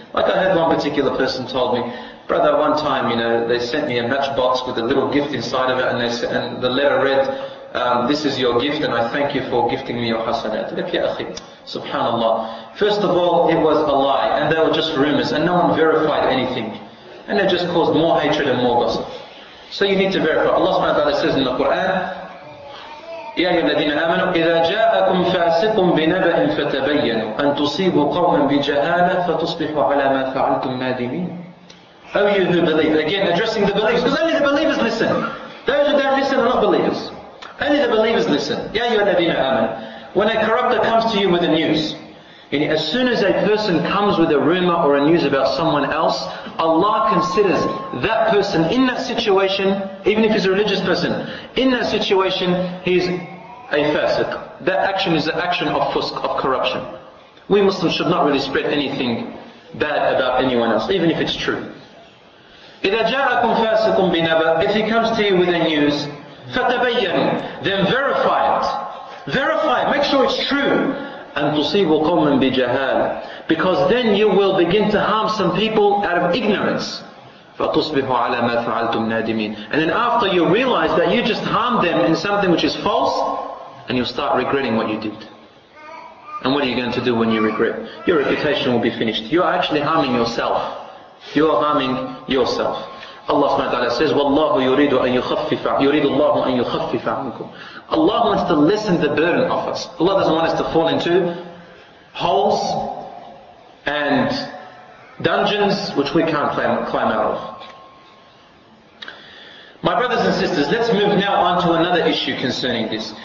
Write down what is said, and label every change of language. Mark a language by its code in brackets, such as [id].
[en] Like I heard one particular person told me, brother, one time, you know, they sent me a matchbox with a little gift inside of it, and they said, and the letter read, this is your gift and I thank you for gifting me your hasanat. Look, ya akhi, subhanAllah. First of all, it was a lie, and they were just rumors, and no one verified anything. And it just caused more hatred and more gossip. So you need to verify. Allah subhanahu wa ta'ala says in the Quran, [ar] يَا أَيُّهَا الَّذِينَ آمَنُوا إِذَا جَاءَكُمْ فَاسِقٌ بِنَبَأٍ فَتَبَيَّنُوا أَن تُصِيبُوا قَوْمًا بِجَهَالَةٍ فَتُصْبِحُوا عَلَى مَا فَعَلْتُمْ نَادِمِينَ. [en] Oh, you who believe. Again, addressing the believers. Because only the believers listen. Those who don't listen are not believers. Only the believers listen. [ar] يَا أَيُّهَا الَّذِينَ آمَنُوا. [en] When a corruptor comes to you with the news, as soon as a person comes with a rumor or a news about someone else, Allah considers that person in that situation, even if he's a religious person, in that situation, he's a fasiq. That action is the action of fusq, of corruption. We Muslims should not really spread anything bad about anyone else, even if it's true. [ar] إِذَا جَاءَكُمْ فَاسِقٌ بِنَبَأٍ. [en] If he comes to you with a news, [ar] فَتَبَيَّنُ. [en] Then verify it. Verify it. Make sure it's true. And [ar] تُصِيبُ قَوْمًا بِجَهَالًا. [en] Because then you will begin to harm some people out of ignorance. [ar] فَتُصْبِحُ عَلَى مَا فَعَلْتُمْ نَادِمِينَ. [en] And then after you realize that you just harmed them in something which is false, and you'll start regretting what you did. And what are you going to do when you regret? Your reputation will be finished. You are actually harming yourself. You are harming yourself. Allah subhanahu wa ta'ala says, [ar] وَاللَّهُ يُرِيدُ أَن يُخَفِّفَ يُرِيدُ اللَّهُ أَن يُخَفِّفَ عَنْكُمْ. [en] Allah wants to lessen the burden of us. Allah doesn't want us to fall into holes and dungeons which we can't climb out of. My brothers and sisters, let's move now on to another issue concerning this.